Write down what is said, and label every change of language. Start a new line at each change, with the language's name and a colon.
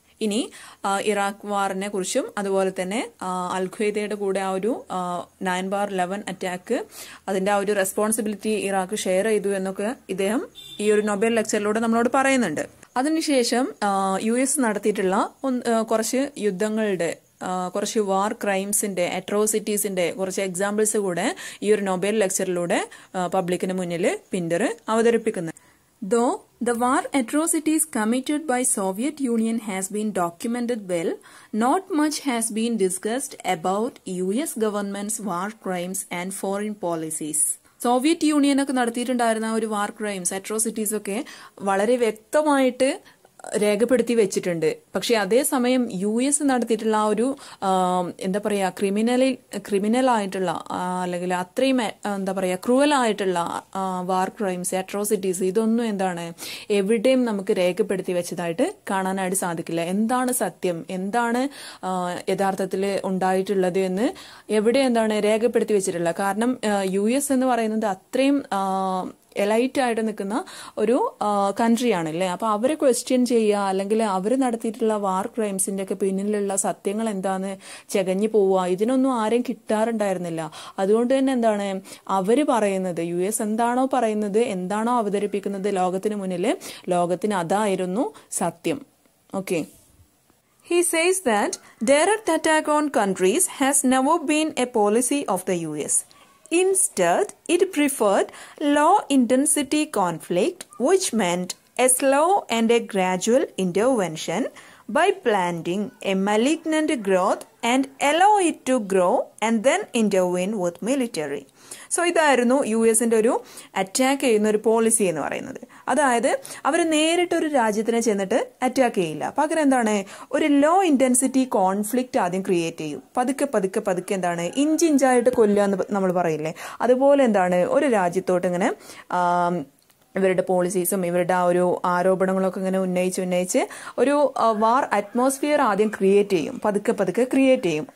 Malayalam: ഇനി ഇറാഖ് വാറിനെ കുറിച്ചും അതുപോലെ തന്നെ അൽഖ്വയ്ദയുടെ കൂടെ ആ ഒരു 9/11 അറ്റാക്ക്, അതിന്റെ ആ ഒരു റെസ്പോൺസിബിലിറ്റി ഇറാഖ് ഷെയർ ചെയ്തു എന്നൊക്കെ ഇദ്ദേഹം ഈ ഒരു നൊബേൽ ലെക്ചറിലൂടെ നമ്മളോട് പറയുന്നുണ്ട്. അതിനുശേഷം US നടത്തിയിട്ടുള്ള കുറച്ച് യുദ്ധങ്ങളുടെ, കുറച്ച് വാർ ക്രൈംസിന്റെ, അട്രോസിറ്റീസിന്റെ കുറച്ച് എക്സാമ്പിൾസ് കൂടെ ഈ ഒരു നൊബേൽ ലെക്ചറിലൂടെ പബ്ലിക്കിന് മുന്നിൽ പിന്റർ അവതരിപ്പിക്കുന്നു.
English: Though the war atrocities committed by Soviet Union has been documented well, not much has been discussed about US government's war crimes and foreign policies.
Malayalam: Soviet union ഒക്കെ നടത്തിയിട്ടുണ്ടായിരുന്ന ഒരു വാർ ക്രൈംസ് അട്രോസിറ്റീസ് ഒക്കെ വളരെ വ്യക്തമായിട്ട് രേഖപ്പെടുത്തി വെച്ചിട്ടുണ്ട്. പക്ഷെ അതേസമയം US നടത്തിയിട്ടുള്ള ഒരു എന്താ പറയാ ക്രിമിനലായിട്ടുള്ള അല്ലെങ്കിൽ അത്രയും എന്താ പറയാ ക്രൂവൽ ആയിട്ടുള്ള വാർ ക്രൈംസ് അട്രോസിറ്റീസ് ഇതൊന്നും എന്താണ് എവിടെയും നമുക്ക് രേഖപ്പെടുത്തി വെച്ചതായിട്ട് കാണാനായിട്ട് സാധിക്കില്ല. എന്താണ് സത്യം, എന്താണ് യഥാർത്ഥത്തിൽ ഉണ്ടായിട്ടുള്ളത് എന്ന് എവിടെ എന്താണ് രേഖപ്പെടുത്തി വെച്ചിട്ടുള്ള, കാരണം US എന്ന് പറയുന്നത് അത്രയും എലൈറ്റ് ആയിട്ട് നിൽക്കുന്ന ഒരു കൺട്രിയാണ് അല്ലേ. അപ്പൊ അവരെ ക്വസ്റ്റ്യൻ ചെയ്യുക അല്ലെങ്കിൽ അവർ നടത്തിയിട്ടുള്ള വാർ ക്രൈംസിന്റെ ഒക്കെ പിന്നിലുള്ള സത്യങ്ങൾ എന്താന്ന് ചെകഞ്ഞു പോവുക, ഇതിനൊന്നും ആരും കിട്ടാറുണ്ടായിരുന്നില്ല. അതുകൊണ്ട് തന്നെ എന്താണ് അവർ പറയുന്നത്, US എന്താണോ പറയുന്നത്, എന്താണോ അവതരിപ്പിക്കുന്നത് ലോകത്തിന് മുന്നിൽ, ലോകത്തിന് അതായിരുന്നു സത്യം.
English: Okay, he says that direct attack on countries has never been a policy of the US. Instead, it preferred low-intensity conflict, which meant a slow and a gradual intervention by planting a malignant growth and allow it to grow and then intervene with military.
Malayalam: So ഇതായിരുന്നു US ഒരു attack ചെയ്യുന്ന ഒരു policy എന്ന് പറയുന്നത്. അതായത് അവർ നേരിട്ട് ഒരു രാജ്യത്തിനെ ചെന്നിട്ട് അറ്റാക്ക് ചെയ്യില്ല, പകരം എന്താണ് ഒരു ലോ ഇന്റൻസിറ്റി കോൺഫ്ലിക്ട് ആദ്യം ക്രിയേറ്റ് ചെയ്യും. പതുക്കെ പതുക്കെ പതുക്കെ എന്താണ് ഇഞ്ചിഞ്ചായിട്ട് കൊല്ലുക എന്ന് നമ്മൾ പറയില്ലേ, അതുപോലെ എന്താണ് ഒരു രാജ്യത്തോട്ട് ഇങ്ങനെ ഇവരുടെ പോളിസീസും ഇവരുടെ ആ ഒരു ആരോപണങ്ങളൊക്കെ ഇങ്ങനെ ഉന്നയിച്ച് ഉന്നയിച്ച് ഒരു വാർ അറ്റ്മോസ്ഫിയർ ആദ്യം ക്രിയേറ്റ് ചെയ്യും, പതുക്കെ പതുക്കെ ക്രിയേറ്റ് ചെയ്യും.